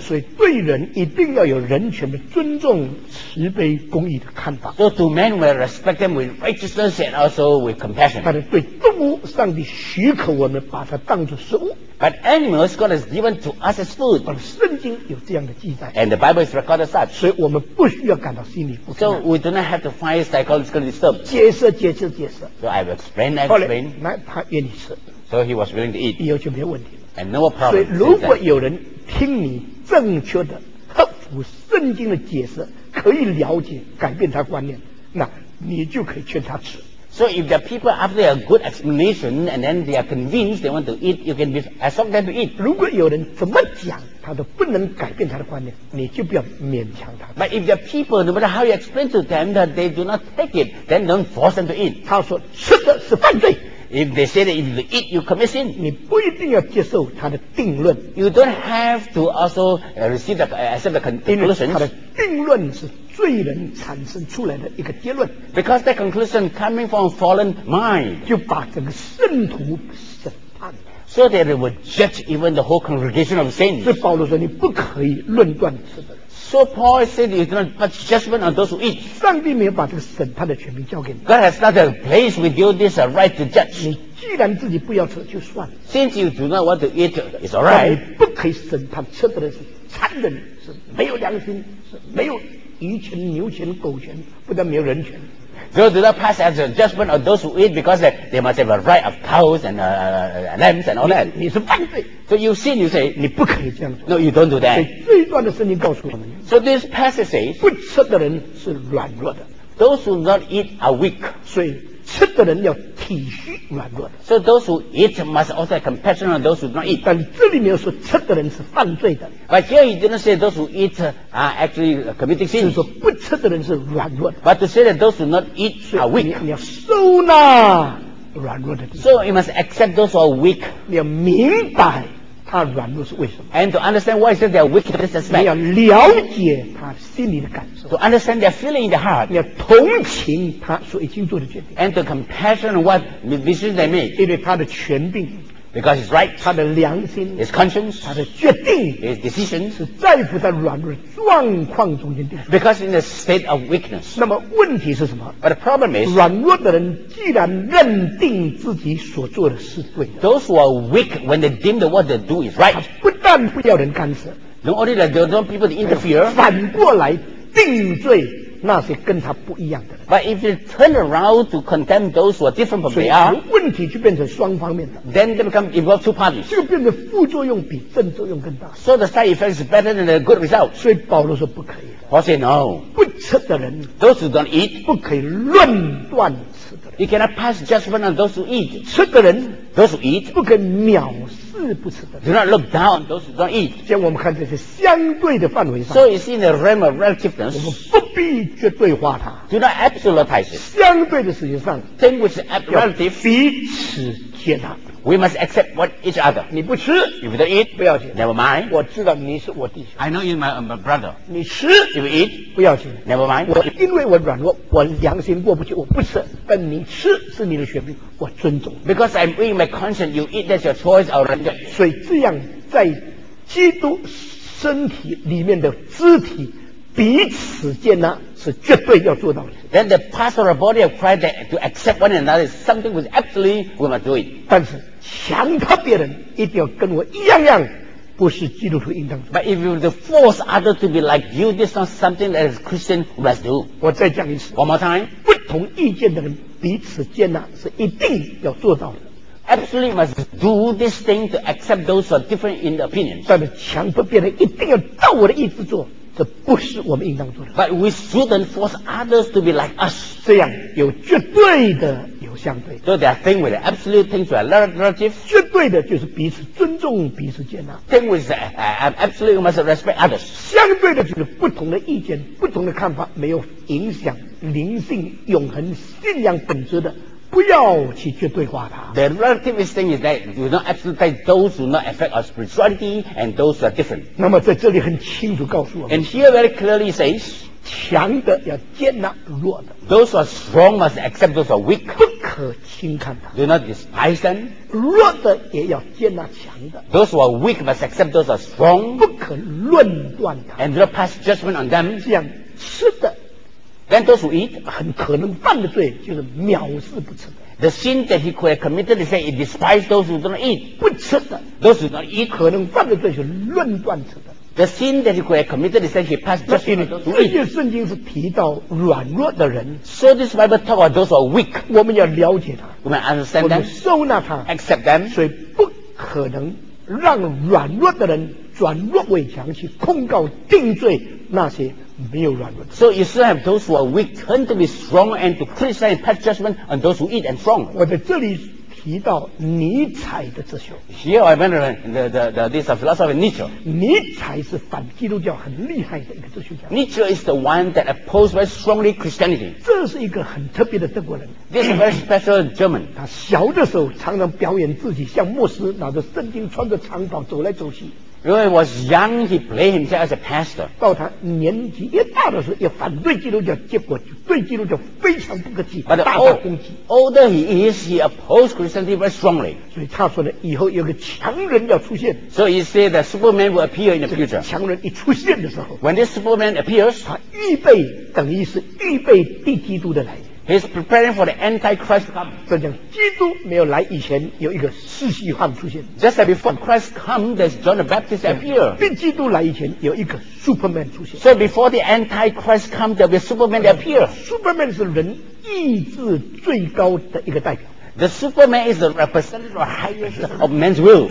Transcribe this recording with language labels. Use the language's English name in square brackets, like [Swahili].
[Chinese] 所以对人一定要有人权的尊重、慈悲、公义的看法。 [English] So to men we respect them with righteousness and also with compassion. [Chinese] 但是对动物，上帝许可我们把它当作食物。 [English] But animals God has given to us as food. [Chinese] 而圣经有这样的记载。 [English] And the Bible is recorded such. [Chinese] 所以我们不需要感到心里不平。 [English] So we do not have to find psychological disturbed. [Chinese] 解释。 [English] So I will explain. [Chinese] 后来他愿意吃。 [English] So he was willing to eat. [Chinese] 以后就没有问题了。 [English] And no problem. [Chinese] 所以如果有人听你正确的克服圣经的解释，可以了解改变他观念，那你就可以劝他吃。 [English] So if the people after a good explanation and then they are convinced they want to eat, you can ask them to eat. [Chinese] 如果有人怎么讲他都不能改变他的观念，你就不要勉强他。 [English] But if the people, no matter how you explain to them that they do not take it, then don't force them to eat. [Chinese] 他说吃的是犯罪。 [English] If they say that if you eat, you commit sin. [Chinese] 你不一定要接受他的定论。 [English] You don't have to also receive the accept the conclusion. [Chinese] 他的定论是罪人产生出来的一个结论。 [English] Because that conclusion coming from fallen mind. [Chinese] 就把整个圣徒审判。 [English] So that they would judge even the whole congregation of saints. [Chinese] 所以保罗说你不可以论断吃的。 [English] So Paul said you do not put judgment on those who eat. [Chinese] 上帝没有把这个审判的权柄交给你。 [English] God has not placed with you this right to judge. [Chinese] 你既然自己不要吃就算了。 [English] Since you do not want to eat, it's alright. [Chinese] 你不可以审判吃的人是残忍，是没有良心，是没有鱼权、牛权、狗权，不但没有人权。 [English] So do not pass as a judgment on those who eat because they must have a right of cows and lambs and all that. [Chinese] 你是犯罪。 [English] So you sin, you say, [Chinese] 你不可以这样做。 [English] No, you don't do that. [Chinese] 所以这一段的圣经告诉我们。 [English] So this passage says, [Chinese] 不吃的人是软弱的。 [English] Those who not eat are weak. [Chinese] 所以吃的人要体恤软弱的。 [English] So those who eat must also have compassion on those who do not eat. [Chinese] 但这里没有说吃的人是犯罪的。 [English] But here he didn't say those who eat are actually committing sin. [Chinese] 就是说不吃的人是软弱的。 [English] But to say that those who not eat are weak. [Chinese] 你要收纳软弱的。 [English] So you must accept those who are weak. [Chinese] 你要明白。他软弱是为什么 [English] ？And to understand why he says they are wicked, this aspect. [Chinese] 你要了解他心里的感受。 [English] To understand their feeling in the heart. [Chinese] 你要同情他所已经做的决定。 [English] And to compassion what decisions they made. [Chinese] 因为他的权柄。 [English] Because it's right. [Chinese] 他的良心。 [English] His conscience. [Chinese] 他的决定。 [English] His decisions. [Chinese] 是在乎在软弱状况中间定。 [English] Because in a state of weakness. [Chinese] 那么问题是什么 [English] ？But the problem is. [Chinese] 软弱的人既然认定自己所做的是对的。 [English] Those who are weak when they deem that what they do is right. [Chinese] 不但不要人干涉。 [English] Not only that they don't people to interfere. [Chinese] 反过来定罪。那些跟他不一样的人 [English] But if you turn around to condemn those who are different from they are [Chinese] 问题就变成双方面的 [English] Then they become involved two parties [Chinese] 就变成副作用比正作用更大 [English] So the side effect is better than the good result [Chinese] 所以保罗说不可以 [English] Paul said no [Chinese] 不吃的人 [English] Those who don't eat [Chinese] 不可以论断吃的人 [English] You cannot pass judgment on those who eat [Chinese] 吃的人 [English] Those who eat [Chinese] 不可以藐视 [English] Do not look down those who don't eat. [Chinese] 像我们看这些相对的范围上。 [English] So it's in the realm of relativeness. [Chinese] 我们不必绝对化它。 [English] Do not absolutize it. [Chinese] 相对的事情上。 [English] Thing which is relative. [Chinese] 彼此接纳。 [English] We must accept what each other. [Chinese] 你不吃。 [English] If you don't eat. [Chinese] 不要紧。 [English] Never mind. [Chinese] 我知道你是我弟兄。 [English] I know you're my brother. [Chinese] 你吃。 [English] If you eat. [Chinese] 不要紧。 [English] Never mind. [Chinese] 我因为我软弱，我良心过不去，我不吃。但你吃是你的权利。我尊重 [English] Because I'm weighing my conscience You eat that's your choice or render [Chinese] 所以这样在基督身体里面的肢体彼此接纳是绝对要做到的 [English] Then the part of the body of Christ that to accept one another is something which absolutely we must do it [Chinese] 但是强迫别人一定要跟我一样样不是基督徒应当 [English] But if you were to force others to be like you this is not something that a Christian must do [Chinese] 我再讲一次 [English] One more time [Chinese] 不同意见的人彼此接纳是一定要做到的 [English] Absolutely must do this thing to accept those who are different in opinion [Chinese] 但是强迫别人一定要照我的意思做这不是我们应当做的 [English] But we shouldn't force others to be like us [Chinese] 这样有绝对的有相对 [English] So there are things with absolute things that are relative [Chinese] 绝对的就是彼此尊重彼此接纳 [English] Thing with absolutely must respect others [Chinese] 相对的就是不同的意见不同的看法没有影响灵性永恒信仰本质的不要去绝对化它 [English] The relativist thing is that you don't absolutize those who not affect our spirituality and those who are different [Chinese] 那么在这里很清楚告诉我们 [English] And here very clearly says [Chinese] 强的要接纳弱的 [English] Those who are strong must accept those who are weak [Chinese] 不可轻看它 [English] Do not despise them [Chinese] 弱的也要接纳强的 [English] Those who are weak must accept those who are strong [Chinese] 不可论断它 [English] And do not pass judgment on them [Chinese] 这样吃的 [English] Then those who eat [Chinese] 很可能犯的罪就是藐视不吃的 [English] The sin that he could have committed is that he despised those who don't eat [Chinese] 不吃的 [English] Those who don't eat [Chinese] 可能犯的罪是论断吃的 [English] The sin that he could have committed is that he passed judgment on those who eat [Chinese] 这些圣经是提到软弱的人 [English] So this Bible talks about those who are weak [Chinese] 我们要了解他 [English] We must understand them [Chinese] 我们收纳他 [English] Accept them [Chinese] 所以不可能让软弱的人转弱为强去控告定罪那些没有软弱的 [English] So you still have those who are weak tend to be strong and to criticize and pass judgment on those who eat and strong [Chinese] 我在这里提到尼采的哲学 [English] Here I mentioned this philosophy of Nietzsche [Chinese] 尼采是反基督教很厉害的一个哲学家 [English] Nietzsche is the one that opposed very strongly Christianity [Chinese] 这是一个很特别的德国人 [English] This is a very special German [Chinese] 他小的时候常常表演自己像牧师拿着圣经穿着长袍走来走去 [English] When he was young, he played himself as a pastor. [Chinese] 到他年纪越大的时候，也反对基督教，结果就对基督教非常不客气，大大攻击。 [English] Older he is, he opposed Christianity very strongly. [Chinese] 所以他说呢，以后有个强人要出现。 [English] So he said that Superman will appear in the future. [Chinese] 强人一出现的时候 [English] ，When this Superman appears, [Chinese] 他预备等于是预备敌基督的来。 [English] He's preparing for the Antichrist to come. [Chinese] 这样，基督没有来以前，有一个世袭犯出现。 [English] Just like before Christ comes, there's John the Baptist appear. [Chinese] 并基督来以前，有一个 Superman 出现。 [English] So before the Antichrist comes, there'll be Superman appear. [Chinese] Superman 是人意志最高的一个代表。 [English] The Superman is the representative of highest of man's will.